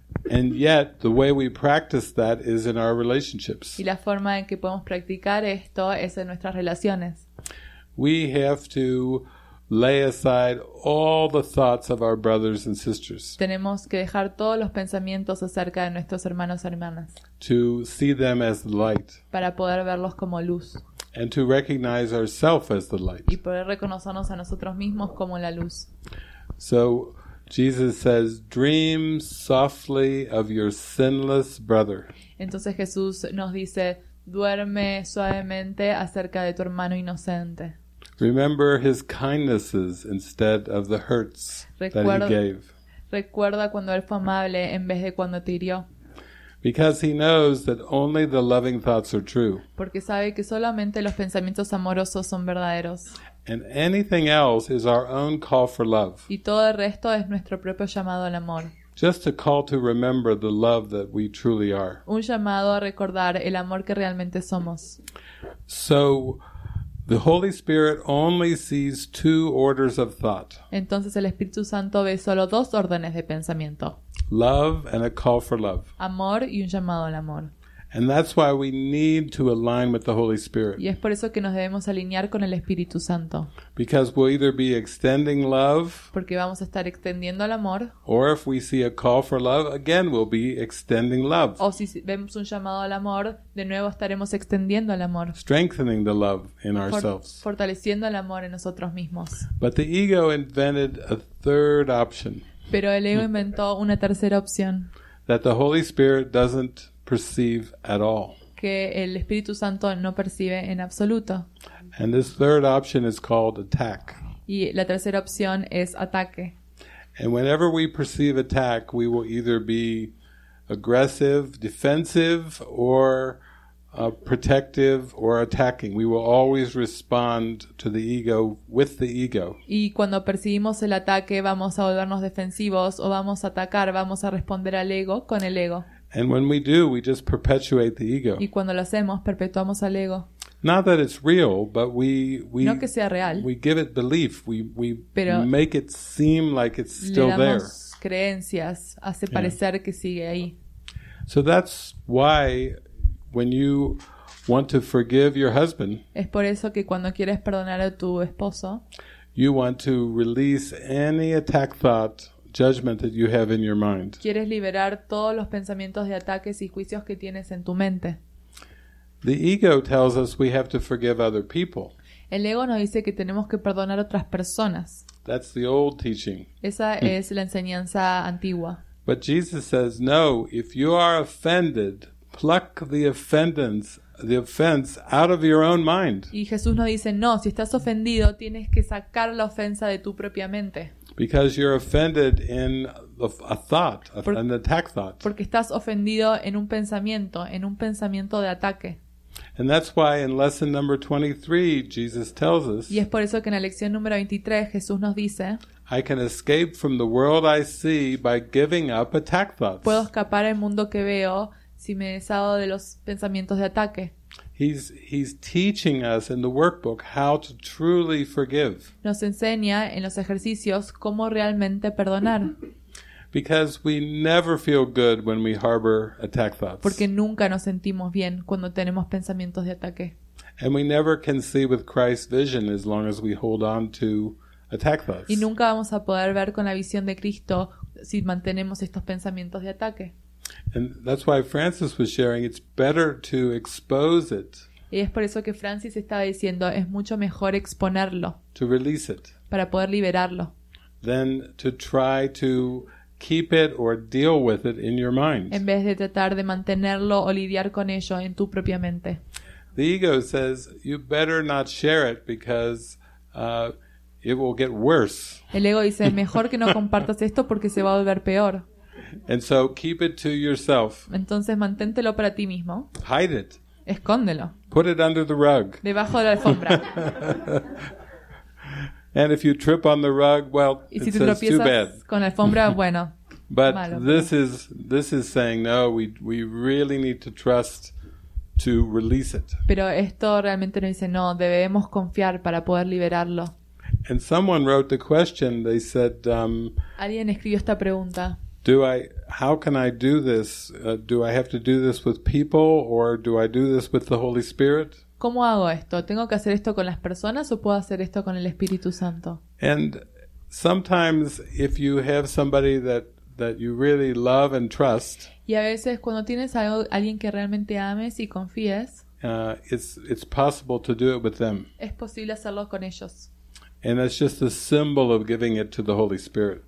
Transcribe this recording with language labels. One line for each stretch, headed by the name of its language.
English: And yet the way we practice that is in our relationships.
Spanish: Y la forma en que podemos practicar esto es en nuestras relaciones.
English: We have to lay aside all the thoughts of our brothers and sisters.
Spanish: Tenemos que dejar todos los pensamientos acerca de nuestros hermanos y hermanas.
English: To see them as light.
Spanish: Para poder verlos como luz.
English: And to recognize ourselves as the light.
Spanish: Y poder reconocernos a nosotros mismos como la luz.
English: So Jesus says, "Dream softly of your sinless brother."
Spanish: Entonces Jesús nos dice, "Duerme suavemente acerca de tu hermano inocente."
English: Remember his kindnesses instead of the hurts that he gave.
Spanish: Recuerda cuando él fue amable en vez de cuando te hirió.
English: Because he knows that only the loving thoughts are true.
Spanish: Porque sabe que solamente los pensamientos amorosos son verdaderos.
English: And anything else is our own call for love.
Spanish: Y todo el resto es nuestro propio llamado al amor.
English: Just a call to remember the love that we truly are.
Spanish: Un llamado a recordar el amor que realmente somos.
English: So the Holy Spirit only sees two orders of thought.
Spanish: Entonces el Espíritu Santo ve solo dos órdenes de pensamiento.
English: Love and a call for love.
Spanish: Amor y un llamado al amor.
English: And that's why we need to align with the Holy Spirit.
Spanish: Y es por eso que nos debemos alinear con el Espíritu Santo.
English: Because we'll either be extending love.
Spanish: Porque vamos a estar extendiendo el amor.
English: Or if we see a call for love, again we'll be extending love.
Spanish: O si vemos un llamado al amor, de nuevo estaremos extendiendo el amor.
English: Strengthening the love in ourselves.
Spanish: Fortaleciendo el amor en nosotros mismos.
English: But the ego invented a third option.
Spanish: Pero el ego inventó una tercera opción.
English: That the Holy Spirit doesn't perceive at all.
Spanish: Que el Espíritu Santo no percibe en absoluto.
English: And this third option is called attack.
Spanish: Y la tercera opción es ataque.
English: And whenever we perceive attack, we will either be aggressive, defensive, or protective or attacking. We will always respond to the ego with the ego.
Spanish: Y cuando percibimos el ataque, vamos a volvernos defensivos o vamos a atacar, vamos a responder al ego con el ego.
English: And when we do, we just perpetuate the ego.
Spanish: Y cuando lo hacemos, perpetuamos al ego.
English: Not that it's real, but we
Spanish: no que sea real.
English: We give it belief. We
Spanish: pero
English: make it seem like it's still there.
Spanish: Le damos creencias, hace parecer que sigue ahí.
English: So that's why when you want to forgive your husband,
Spanish: es por eso que cuando quieres perdonar a tu esposo,
English: you want to release any attack thought, judgment that you have in your mind.
Spanish: Quieres liberar todos los pensamientos de ataques y juicios que tienes en tu mente.
English: The ego tells us we have to forgive other people.
Spanish: El ego nos dice que tenemos que perdonar otras personas.
English: That's the old teaching.
Spanish: Esa es la enseñanza antigua.
English: But Jesus says, no, if you are offended, pluck the offense out of your own mind.
Spanish: Y Jesús nos dice, no, si estás ofendido, tienes que sacar la ofensa de tu propia mente.
English: Because you're offended in a thought, an attack thought.
Spanish: Porque estás ofendido en un pensamiento de ataque.
English: And that's why in lesson number 23, Jesus tells us.
Spanish: Y es por eso que en la lección número 23, Jesús nos dice.
English: I can escape from the world I see by giving up attack thoughts.
Spanish: Puedo escapar del mundo que veo si me deshago de los pensamientos de ataque.
English: He's teaching us in the workbook how to truly forgive.
Spanish: Nos enseña en los ejercicios cómo realmente perdonar.
English: Because we never feel good when we harbor attack thoughts.
Spanish: Porque nunca nos sentimos bien cuando tenemos pensamientos de ataque.
English: And we never can see with Christ's vision as long as we hold on to attack thoughts.
Spanish: Y nunca vamos a poder ver con la visión de Cristo si mantenemos estos pensamientos de ataque.
English: And that's why Francis was sharing, it's better to expose it.
Spanish: Y es por eso que Francis estaba diciendo, es mucho mejor exponerlo.
English: To release it.
Spanish: Para poder liberarlo.
English: Than to try to keep it or deal with it in your mind.
Spanish: En vez de tratar de mantenerlo o lidiar con ello en tu propia mente.
English: The ego says, you better not share it because it will get worse.
Spanish: El ego dice, mejor que no compartas esto porque se va a volver peor.
English: And so keep it to yourself.
Spanish: Entonces manténtelo para ti mismo.
English: Hide it.
Spanish: Escóndelo.
English: Put it under the rug.
Spanish: Debajo de la alfombra.
English: And if you trip on the rug, well, it's
Spanish: si
English: too bad.
Spanish: Y si tropiezas con la alfombra, bueno.
English: But
Spanish: malo,
English: this is saying no, we really need to trust to release it.
Spanish: Pero esto realmente nos dice no, debemos confiar para poder liberarlo.
English: And someone wrote the question. They said
Spanish: alguien escribió esta pregunta.
English: How can I do this? Do I have to do this with people or do I do this with the Holy Spirit?
Spanish: ¿Cómo hago esto? ¿Tengo que hacer esto con las personas o puedo hacer esto con el Espíritu Santo?
English: And sometimes if you have somebody that you really love and trust.
Spanish: Y a veces cuando tienes a alguien que realmente ames y confíes.
English: It's possible to do it with them.
Spanish: Es posible hacerlo con ellos.
English: And it's just a symbol of giving it to the Holy Spirit.